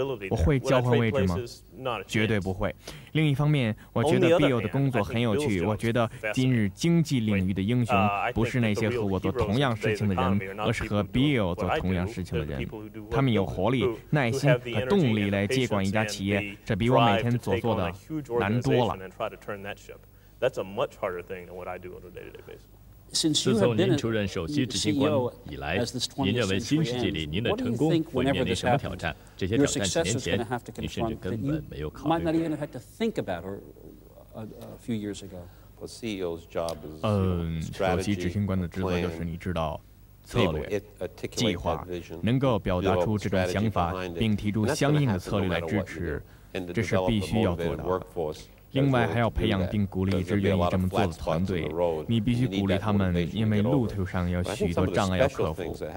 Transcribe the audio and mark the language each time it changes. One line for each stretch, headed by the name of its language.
Chinese: 我会交换位置吗？绝对不会。另一方面，我觉得 Bill 的工作很有趣。我觉得今日经济领域的英雄不是那些和我做同样事情的人，而是和 Bill 做同样事情的人。他们有活力、耐心和动力来接管一家企业，这比我每天所做的难多了。
English: That's a much harder thing than what I do on a day-to-day basis.
Chinese: 自从您出任首席执行官以来，您认为新世纪里您的成功会面临什么挑战？这些挑战几年前，您甚至根本没有考虑。
English: Might not even have to think about or a few years ago. A CEO's job is
Chinese: 首席执行官的职责就是你知道。策略、计划，能够表达出这种想法，并提出相应的策略来支持，这是必须要做的。另外，还要培养并鼓励一支愿意这么做的团队。你必须鼓励他们，因为路途上有许多障碍要克服。